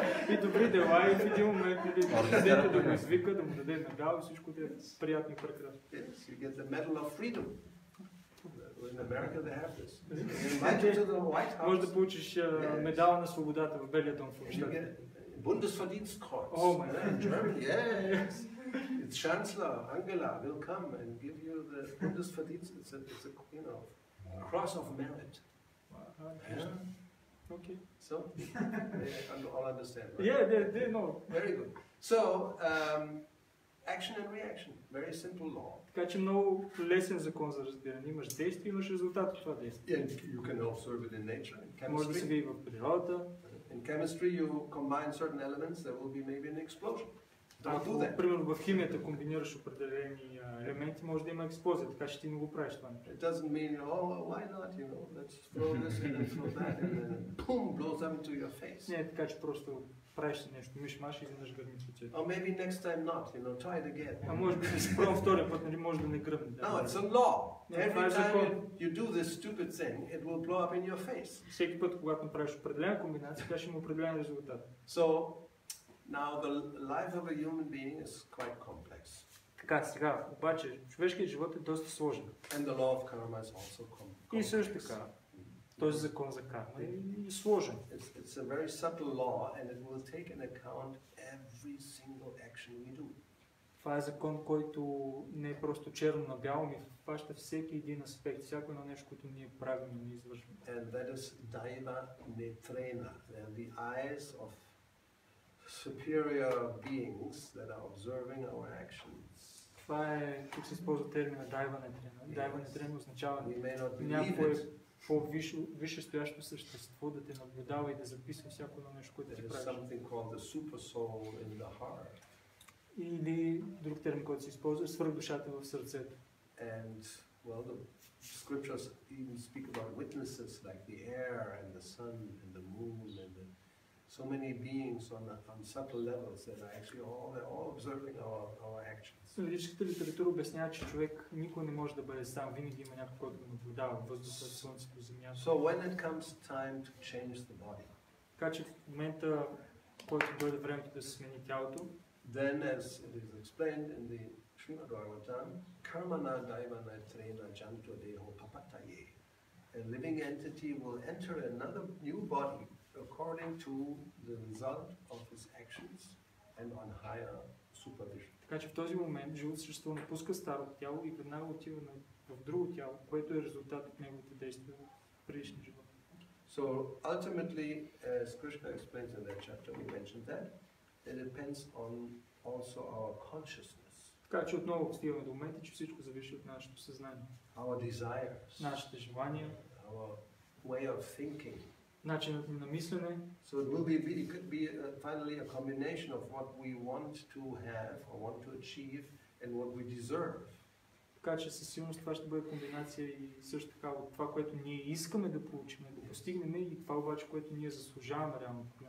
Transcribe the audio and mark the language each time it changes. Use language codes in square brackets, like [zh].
[bg] И добри дела, и в един момент президента да го извика, да му даде медал и всичко да е приятно и прекрасно. [en] Yes, you get the medal of freedom. In America they have this. Invited to the White House. [bg] Може да получиш медала на свободата в Белия дом в Штатите. [de] Bundesverdienstkreuz. [en] Oh my God. In Germany, yes. It's Chancellor Angela will come and give you the Bundesverdienst. It's a you know, cross of merit. Okay. So, I all understand. Right? Yeah, they know. Very good. So, action and reaction. Very simple law. [bg] Така че много лесен закон за разбиране. Имаш действие, имаш резултат от това действие. [en] And you can observe it in nature, in chemistry. [bg] Може да се види в природата. [en] In chemistry you combine certain elements, there will be maybe an explosion. Don't do that. [bg] Примерно в химията комбинираш определени елементи, може да има експлозия, така че ти не го правиш това. [en] It doesn't mean, oh, why not, you know, let's throw this and let's throw that, and then boom, blows up into your face. [bg] Не, така че просто правиш нещо, миш-маш и изведнъж гърми в лицето. [en] Or maybe next time not, you know, try it again. [bg] А може би си пробвам втория път, нали може да не гръмне. [en] No, it's a law. Every time you do this stupid thing, it will blow up in your face. [bg] Всеки път, когато направиш определена комбинация, така ще има определен резултат. [en] So, now the life of a human being is quite complex. [bg] Така, сега, обаче, човешкият живот е доста сложен. [en] And the law of karma is also complex. [bg] И също така. Този закон за карма е сложен. [en] It's a very subtle law and it will take into account every single action we do. [bg] Това е закон, който не е просто черно на бяло, ми хваща всеки един аспект, всяко едно нещо, което ние правим и не извършваме. [en] And that is daiva netrena. They are the eyes of superior beings that are observing our actions. [bg] Това е, тук се използва термина daiva netrena. Daiva netrena означава някой по-висше стоящо същество да те наблюдава и да записва всяко едно нещо, което ти правиш. [en] Something called the super soul in the heart. [bg] Или друг термин, който се използва, свръхдушата в сърцето. [en] And well, the scriptures even speak about witnesses like the air and the sun and the moon and the so many beings on subtle levels that are actually all observing our actions. [bg] Юридическата литература обяснява, че човек никой не може да бъде сам, винаги има някой, който наблюдава въздуха, слънцето, земята. [en] So when it comes time to change the body. [bg] Така че в момента, който дойде времето да се смени тялото, [en] then as it is explained in the Srimad Bhagavatam, [sa] karmana daivana trena janto deho papataye. [en] A living entity will enter another new body according to the result of his actions and on higher supervision. [bg] Така че в този момент живото същество напуска старото тяло и веднага отива в друго тяло, което е резултат от неговите действия в предишния живот. [en] So ultimately, as Krishna explains in that chapter, we mentioned that, it depends on also our consciousness. [bg] Така че отново стигаме до момента, че всичко зависи от нашето съзнание. [en] Our desires. [bg] Нашите желания. [en] Our way of thinking. [bg] Начинът ни на мислене. [en] So it will be, it could be finally a combination of what we want to have or want to achieve and what we deserve. [bg] Така че със сигурност това ще бъде комбинация и също така от това, което ние искаме да получим, да постигнем и това обаче, което ние заслужаваме реално.